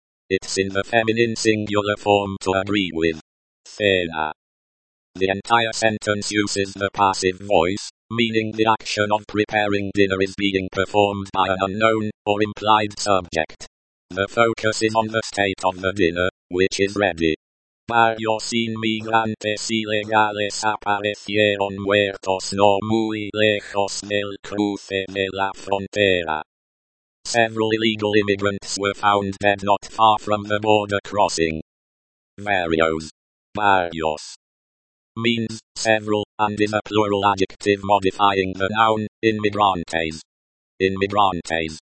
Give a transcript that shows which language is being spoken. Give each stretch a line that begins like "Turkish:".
English: It's in the feminine singular form to agree with. Cena. The entire sentence uses the passive voice, meaning the action of preparing dinner is being performed by an unknown, or implied subject. The focus is on the state of the dinner, which is ready.
Spanish: Varios inmigrantes ilegales aparecieron muertos no muy lejos del cruce de la frontera.
English: Several illegal immigrants were found dead not far from the border crossing. Varios. Varios. Means several, and is a plural adjective modifying the noun, inmigrantes. Inmigrantes.